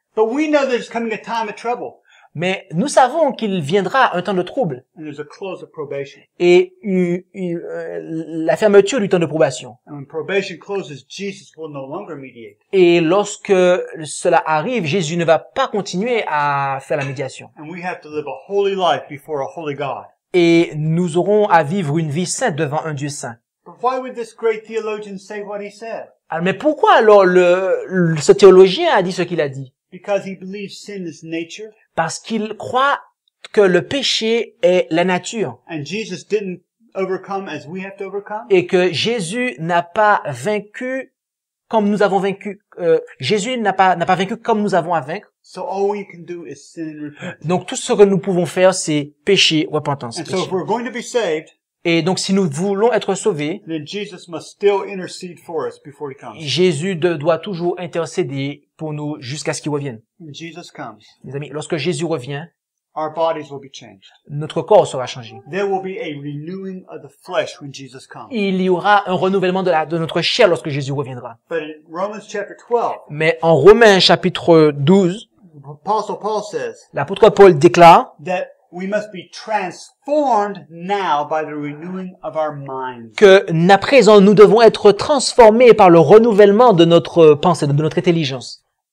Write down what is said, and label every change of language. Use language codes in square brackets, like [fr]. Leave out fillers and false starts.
[en] But we know there's coming a time of trouble. [fr] Mais nous savons qu'il viendra un temps de trouble. [en] And there's a close of probation. [fr] Et la fermeture du temps de probation. [en] And when probation closes, Jesus will no longer mediate. [fr] Et lorsque cela arrive, Jésus ne va pas continuer à faire la médiation. [en] And we have to live a holy life before a holy God. [fr] Et nous aurons à vivre une vie sainte devant un Dieu saint. [en] But why would this great theologian say what he said? [fr] Alors, mais pourquoi alors ce théologien a dit ce qu'il a dit? [en] Because he believes sin is nature. [fr] Parce qu'il croit que le péché est la nature. [en] And Jesus didn't overcome as we have to overcome. [fr] Et que Jésus n'a pas vaincu comme nous avons vaincu. Jésus n'a pas vaincu comme nous avons à vaincre. [en] So all we can do is sin and repentance. [fr] Donc tout ce que nous pouvons faire, c'est péché, repentance. [en] And so if we're going to be saved, [fr] et donc si nous voulons être sauvés, [en] then Jesus must still intercede for us before he comes. [fr] Jésus doit toujours intercéder pour nous jusqu'à ce qu'il revienne. [en] Jesus comes, [fr] mes amis, lorsque Jésus revient, [en] our bodies will be changed. [fr] Notre corps sera changé. [en] There will be a renewing of the flesh when Jesus comes. [fr] Il y aura un renouvellement de notre chair lorsque Jésus reviendra. [en] But in Romans chapter 12, [fr] mais en Romains chapitre 12, [en] Apostle Paul says, [fr] l'apôtre Paul déclare [en] that we must be transformed now by the renewing of our minds. [fr] Que à présent nous devons être transformés par le renouvellement de notre pensée, de notre intelligence.